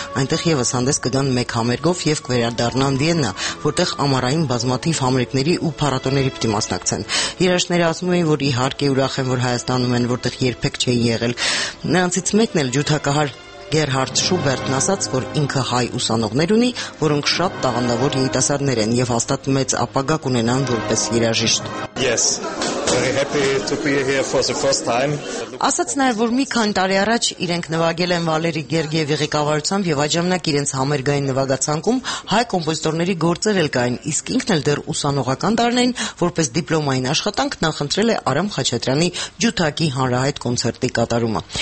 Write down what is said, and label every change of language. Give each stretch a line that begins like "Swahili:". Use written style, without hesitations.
Armenian: այնտեղ ևս հանդես կգան մեկ համերգով և կվերադառնան Վիեննա, որտեղ ամառային բազմաթիվ համերգների ու փառատոների պիտի մասնակցեն։ Երաժշտները ասում էին, որ իհարկե ուրախ են, որ Հայաստանում են, որտեղ երբեք չէին եղել։ Նրանցից մեկն էլ ջութակահար Գերհարդ Շուբերտն ասաց, որ ինքը հայ ուսանողներ ունի, որոնք շատ տաղանդավոր երիտասարդներ են եւ հաստատ մեծ ապագա կունենան որպես երաժիշտ։
English: Yes. Very happy to be here for the first time.
Armenian: Ասաց նաեւ, որ մի քանի տարի առաջ իրենք նվագել են Վալերի Գերգիևի ղեկավարությամբ եւ այժմնակ իրենց համերգային նվագացանկում հայ կոմպոզիտորների գործեր էլ կային, իսկ ինքն էլ դեռ ուսանողական դարնային, որպես դիպլոմային աշխատանք նախընտրել է Արամ Խաչատրյանի Ջութակի հանրահայտ կոնցերտի կատարումը։